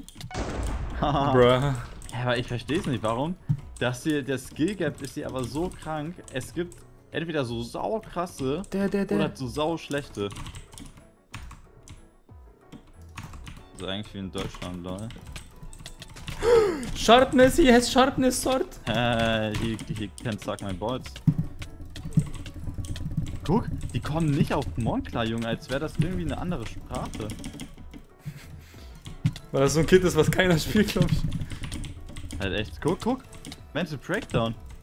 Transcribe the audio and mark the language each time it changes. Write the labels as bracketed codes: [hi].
[en] Bruh. [de] Aber ich versteh's nicht, warum? Dass hier der Skill Gap ist hier aber so krank. Es gibt entweder so sau krasse der. Oder so sau schlechte. So eigentlich wie in Deutschland, lol. [en] Sharpness, he has sharpness sword. He can't suck my balls. [de] Guck, die kommen nicht auf Mond klar, Junge, als wäre das irgendwie eine andere Sprache. Weil das so ein Kind ist, was keiner spielt, glaube ich. Halt echt, guck. Mental Breakdown.